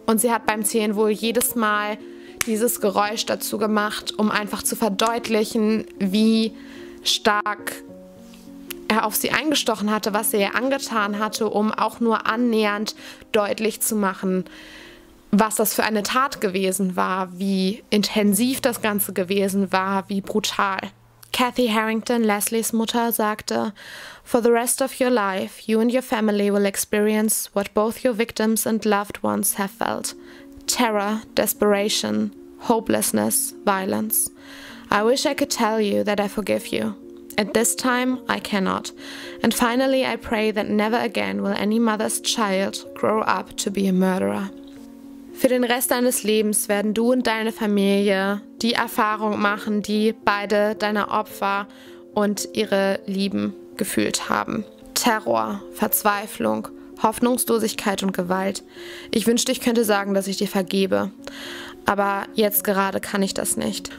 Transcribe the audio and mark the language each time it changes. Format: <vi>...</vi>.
<de>Und sie hat beim Zählen wohl jedes Mal dieses Geräusch dazu gemacht, um einfach zu verdeutlichen, wie stark er auf sie eingestochen hatte, was er ihr angetan hatte, um auch nur annähernd deutlich zu machen, was das für eine Tat gewesen war, wie intensiv das Ganze gewesen war, wie brutal.</de> <en>Kathy Harrington,</en> <de>Leslies Mutter, sagte:</de> <en>"For the rest of your life, you and your family will experience what both your victims and loved ones have felt. Terror, desperation, hopelessness, violence. I wish I could tell you that I forgive you. At this time, I cannot. And finally, I pray that never again will any mother's child grow up to be a murderer."</en> <de>Für den Rest deines Lebens werden du und deine Familie die Erfahrung machen, die beide deiner Opfer und ihre Lieben gefühlt haben. Terror, Verzweiflung, Hoffnungslosigkeit und Gewalt. Ich wünschte, ich könnte sagen, dass ich dir vergebe. Aber jetzt gerade kann ich das nicht.</de>